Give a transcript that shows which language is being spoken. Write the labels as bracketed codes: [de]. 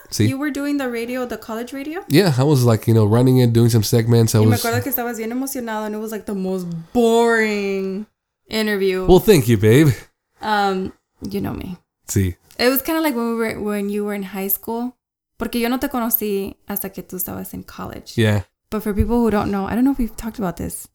[es] Sí. [en] You were doing the radio, the college radio? Yeah, I was like, you know, running it, doing some segments. [es] Y me acuerdo que estabas bien emocionado [en] and it was like the most boring interview. Well, thank you, babe. You know me. [es] Sí. [en] It was kind of like when you were in high school. [es] Porque yo no te conocí hasta que tú estabas [en] in college. Yeah. But for people who don't know, I don't know if we've talked about this.